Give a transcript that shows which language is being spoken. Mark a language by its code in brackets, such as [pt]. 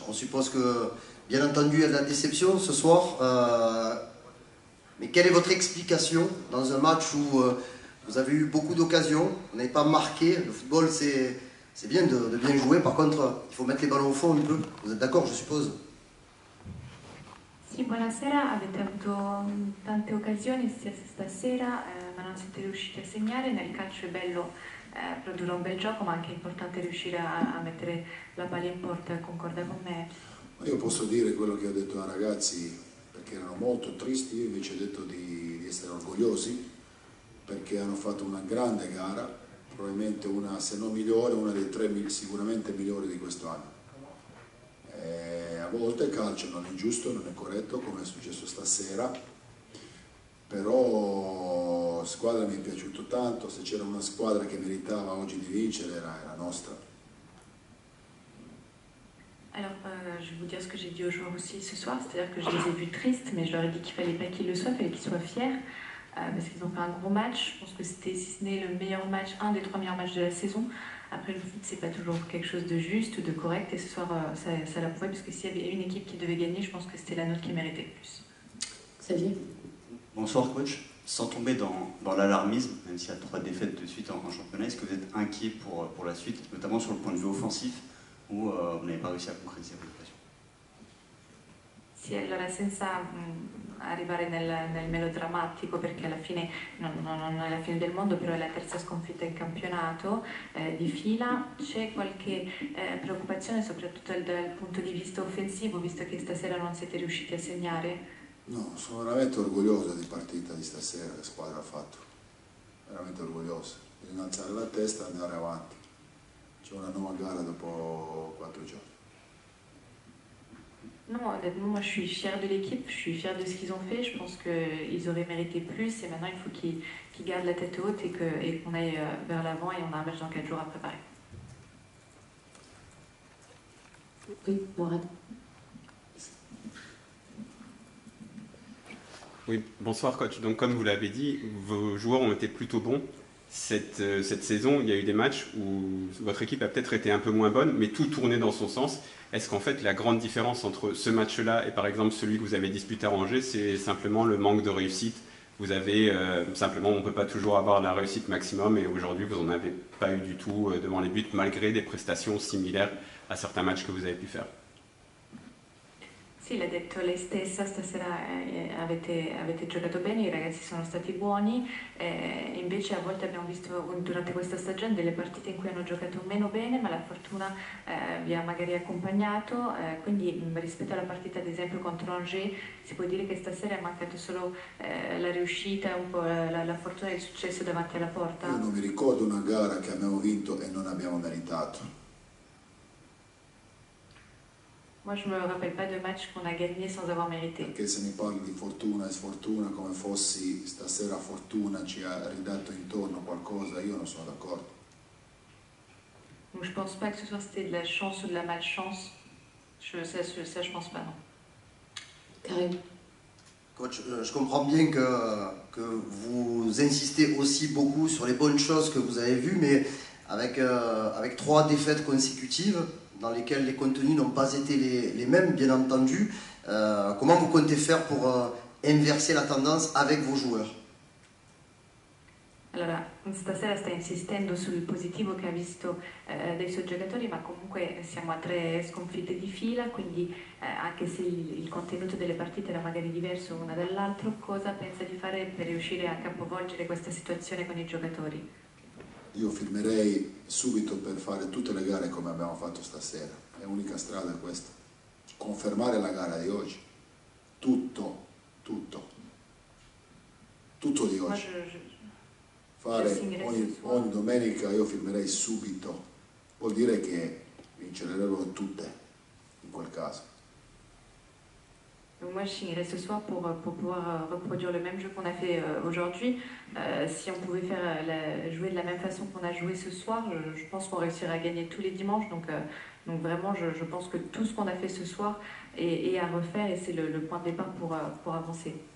[fr] On suppose que, bien entendu, il y a de la déception ce soir. Mais quelle est votre explication dans un match où vous avez eu beaucoup d'occasions, vous n'avez pas marqué? Le football, c'est bien de bien jouer. Par contre, il faut mettre les ballons au fond un peu. Vous êtes d'accord, je suppose? [it] Sì, buonasera, avete avuto tante occasioni sia stasera, ma non siete riusciti a segnare. Nel calcio è bello produrre un bel gioco, ma anche è importante riuscire a mettere la palla in porta, concorda con me? Io posso dire quello che ho detto ai ragazzi, perché erano molto tristi, io invece ho detto di essere orgogliosi, perché hanno fatto una grande gara, probabilmente una, se non migliore, una dei tre sicuramente migliori di questo anno. A volte il calcio non è giusto, non è corretto, come è successo stasera, però la squadra mi è piaciuta tanto, se c'era una squadra che meritava oggi di vincere era nostra. [fr] Alors, je vais vous dire ce que j'ai dit aux joueurs aussi ce soir, c'est-à-dire que je les ai vus tristes, mais je leur ai dit qu'il fallait pas qu'ils le soient, il fallait qu'ils soient fiers, parce qu'ils ont fait un gros match, je pense que c'était, si ce n'est le meilleur match, un des trois meilleurs matchs de la saison. Après, le foot, c'est pas toujours quelque chose de juste ou de correct, et ce soir, ça l'a prouvé, parce que s'il y avait une équipe qui devait gagner, je pense que c'était la nôtre qui méritait le plus. Xavier. Bonsoir, coach. Sans tomber dans l'alarmisme, même s'il y a trois défaites de suite en championnat, est-ce que vous êtes inquiet pour la suite, notamment sur le point de vue offensif, où vous n'avez pas réussi à concrétiser vos occasions? [it] Sì, allora, senza arrivare nel melodrammatico, perché alla fine non è la fine del mondo, però è la terza sconfitta in campionato di fila. C'è qualche preoccupazione, soprattutto dal punto di vista offensivo, visto che stasera non siete riusciti a segnare? No, sono veramente orgoglioso di partita di stasera, la squadra ha fatto. Veramente orgoglioso. Bisogna alzare la testa e andare avanti. C'è una nuova gara dopo 4 giorni. [fr] Non, honnêtement, moi je suis fière de l'équipe, je suis fière de ce qu'ils ont fait, je pense qu'ils auraient mérité plus et maintenant il faut qu'ils gardent la tête haute et qu'on aille vers l'avant et on a un match dans 4 jours à préparer. Oui, Mourad. Oui, bonsoir coach. Donc comme vous l'avez dit, vos joueurs ont été plutôt bons. Cette saison, il y a eu des matchs où votre équipe a peut-être été un peu moins bonne, mais tout tournait dans son sens. Est-ce qu'en fait, la grande différence entre ce match-là et par exemple celui que vous avez disputé à Angers, c'est simplement le manque de réussite? Vous avez simplement, on ne peut pas toujours avoir la réussite maximum, et aujourd'hui, vous n'en avez pas eu du tout devant les buts, malgré des prestations similaires à certains matchs que vous avez pu faire. [it] Sì, l'ha detto lei stessa, stasera avete giocato bene, i ragazzi sono stati buoni, invece a volte abbiamo visto durante questa stagione delle partite in cui hanno giocato meno bene, ma la fortuna vi ha magari accompagnato, quindi rispetto alla partita ad esempio contro Angers si può dire che stasera è mancata solo la riuscita, un po' la fortuna e il successo davanti alla porta? Io non mi ricordo una gara che abbiamo vinto e non abbiamo meritato. [fr] Moi je ne me rappelle pas de match qu'on a gagné sans avoir mérité. [it] Perché se mi parli di fortuna e sfortuna come fossi stasera fortuna ci ha ridato intorno qualcosa, io non sono d'accordo. [fr] Donc je pense pas que ce soit c'était de la chance ou de la malchance. Ça je pense pas non. Karim. Coach, je comprends bien que vous insistez aussi beaucoup sur les bonnes choses que vous avez vues, mais avec trois défaites consécutives dans lesquels les contenus n'ont pas été les mêmes, bien entendu. Comment vous comptez faire pour inverser la tendance avec vos joueurs? [it] Allora, stasera sta insistendo sul positivo che ha visto dei suoi giocatori, ma comunque siamo a tre sconfitte di fila, quindi anche se il contenuto delle partite era magari diverso una dall'altra, cosa pensa di fare per riuscire a capovolgere questa situazione con i giocatori? Io firmerei subito per fare tutte le gare come abbiamo fatto stasera. È l'unica strada questa. Confermare la gara di oggi. Tutto. Tutto di oggi. Fare ogni domenica io firmerei subito. Vuol dire che vincerebbero tutte in quel caso. [fr] Moi, je signerai ce soir pour pouvoir reproduire le même jeu qu'on a fait aujourd'hui. Si on pouvait jouer de la même façon qu'on a joué ce soir, je pense qu'on réussirait à gagner tous les dimanches. Donc, Donc vraiment, je pense que tout ce qu'on a fait ce soir est à refaire et c'est le point de départ pour avancer.